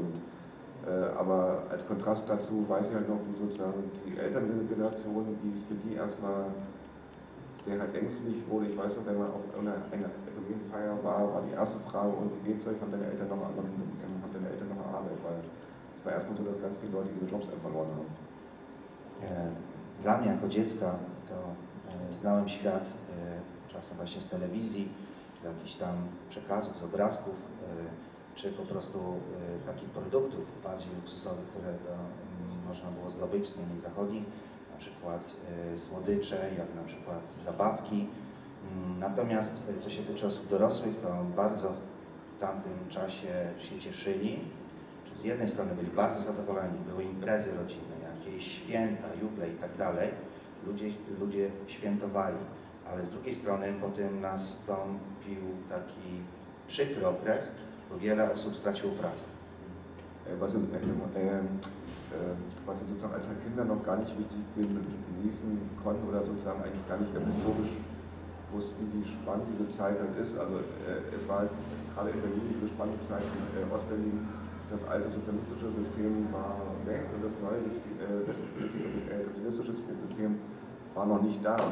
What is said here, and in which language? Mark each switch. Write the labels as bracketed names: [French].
[German] Und, aber als Kontrast dazu weiß ich halt noch, wie sozusagen die ältere Generation, die es für die erstmal sehr halt ängstlich wurde. Ich weiß noch, wenn man auf einer Familienfeier war die erste Frage, und wie geht's euch, haben deine Eltern noch Arbeit? Weil es war erstmal so, dass ganz viele Leute ihre Jobs verloren haben. [Polish] Dla mnie jako dziecka to znałem świat czasem właśnie z telewizji, jakichś tam przekazów, z obrazków, czy po prostu takich produktów bardziej luksusowych, które można było zdobyć z Niemiec Zachodnich, na przykład słodycze, jak na przykład zabawki. Natomiast co się tyczy osób dorosłych, to bardzo w tamtym czasie się cieszyli. Czyli z jednej strony byli bardzo zadowoleni, były imprezy rodzinne, jakieś święta, juble i tak dalej. Ludzie świętowali. Ale z drugiej strony potem nastąpił taki przykry okres, bo wiele osób straciło pracę. [German] Was wir sozusagen als Kinder noch gar nicht richtig genießen konnten oder sozusagen eigentlich gar nicht historisch wussten, wie spannend diese Zeit dann ist. Also es war halt gerade in Berlin diese spannende Zeit, in Ostberlin, das alte sozialistische System war weg und das neue sozialistische System war noch nicht da.